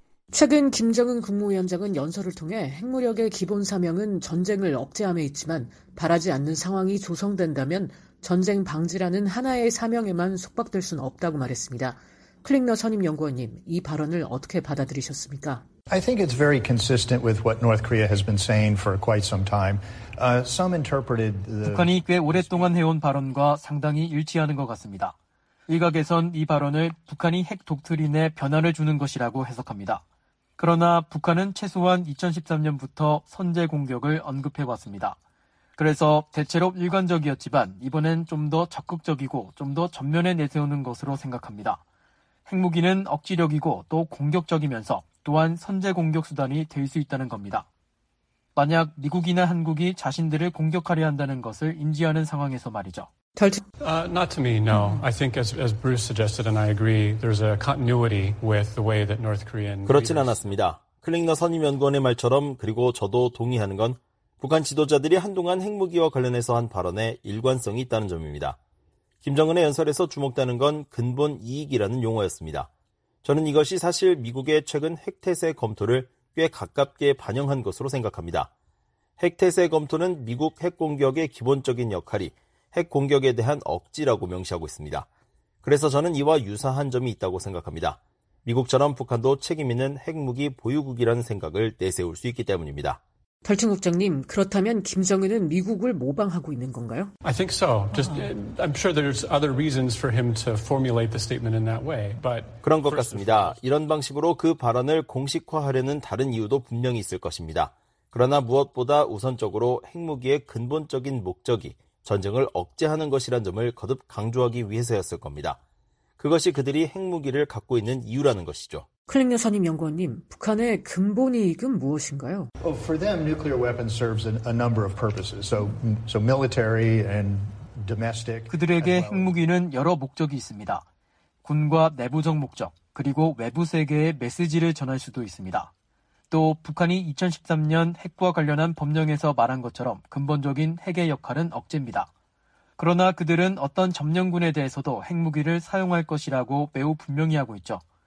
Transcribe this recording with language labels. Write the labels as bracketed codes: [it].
[ko] 최근 김정은 국무위원장은 연설을 통해 핵무력의 기본 사명은 전쟁을 억제함에 있지만 바라지 않는 상황이 조성된다면 전쟁 방지라는 하나의 사명에만 속박될 순 없다고 말했습니다. 클링너 선임 연구원님, 이 발언을 어떻게 받아들이셨습니까? [en] I think it's very consistent with what North Korea has been saying for quite some time. Some interpreted the [ko] 북한이 꽤 오랫동안 해온 발언과 상당히 일치하는 것 같습니다. 일각에선 이 발언을 북한이 핵 독트린에 변화를 주는 것이라고 해석합니다. 그러나 북한은 최소한 2013년부터 선제 공격을 언급해 왔습니다. 그래서 대체로 일관적이었지만 이번엔 좀 더 적극적이고 좀 더 전면에 내세우는 것으로 생각합니다. 핵무기는 억지력이고 또 공격적이면서 또한 선제 공격 수단이 될 수 있다는 겁니다. 만약 미국이나 한국이 자신들을 공격하려 한다는 것을 인지하는 상황에서 말이죠. [en] Not to me, no. I think as Bruce suggested and I agree, there's a continuity with the way that North Korean [ko] 그렇진 않았습니다. 클링너 선임 연구원의 말처럼 그리고 저도 동의하는 건 북한 지도자들이 한동안 핵무기와 관련해서 한 발언에 일관성이 있다는 점입니다. 김정은의 연설에서 주목되는 건 근본 이익이라는 용어였습니다. 저는 이것이 사실 미국의 최근 핵태세 검토를 꽤 가깝게 반영한 것으로 생각합니다. 핵태세 검토는 미국 핵공격의 기본적인 역할이 핵공격에 대한 억지라고 명시하고 있습니다. 그래서 저는 이와 유사한 점이 있다고 생각합니다. 미국처럼 북한도 책임 있는 핵무기 보유국이라는 생각을 내세울 수 있기 때문입니다. 덜튼 국장님, 그렇다면 김정은은 미국을 모방하고 있는 건가요? [en] I think so. I'm sure there's other reasons for him to formulate the statement in that way. But [ko] 그런 것 같습니다. 이런 방식으로 그 발언을 공식화하려는 다른 이유도 분명히 있을 것입니다. 그러나 무엇보다 우선적으로 핵무기의 근본적인 목적이 전쟁을 억제하는 것이란 점을 거듭 강조하기 위해서였을 겁니다. 그것이 그들이 핵무기를 갖고 있는 이유라는 것이죠. 클링너 선임 연구원님, 북한의 근본 이익은 무엇인가요? [en] For them, nuclear weapons serves a number of purposes. So military and domestic. [ko] 그들에게 핵무기는 여러 목적이 있습니다. 군과 내부적 목적, 그리고 외부 세계에 메시지를 전할 수도 있습니다. 또 북한이 2013년 핵과 관련한 법령에서 말한 것처럼 근본적인 핵의 역할은 억제입니다. 그러나 그들은 어떤 점령군에 대해서도 핵무기를 사용할 것이라고 매우 분명히 하고 있죠.